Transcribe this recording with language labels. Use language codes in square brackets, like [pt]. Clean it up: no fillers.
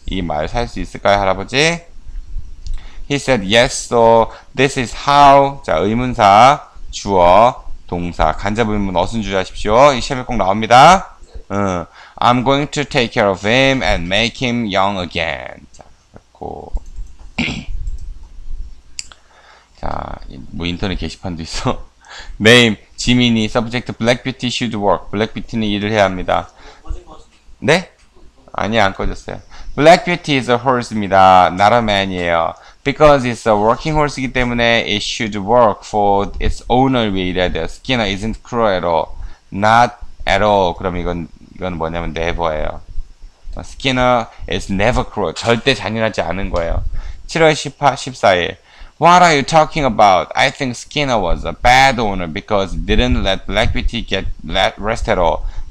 [ko] 이 말 살 수 있을까요, 할아버지? [en] He said yes, so this is how. [ko] 자, 의문사, 주어, 동사, 간접 의문, 어순 주의하십시오. 이 시험에 꼭 나옵니다. [en] 응. I'm going to take care of him and make him young again. [ko] 자, 그렇고. 자, 뭐 인터넷 게시판도 있어. Name, 지민이, subject, [en] Black Beauty should work. [ko] Black Beauty는 일을 해야 합니다. 네? 아니, 안 꺼졌어요. [en] Black Beauty is a horse [ko] 입니다. [en] Not a man [ko] 이에요. [en] Because it's a working horse [ko] 이기 때문에 [en] it should work for its owner [ko] 위에 일해야 돼요. [en] Skinner isn't cruel at all. Not at all. [ko] 그럼 이건 뭐냐면 never예요. [en] Skinner is never cruel. [ko] 절대 잔인하지 않은 거예요. 7월 14일. [en] What are you talking about? I think Skinner was a bad owner because didn't let Black Beauty get rest at all.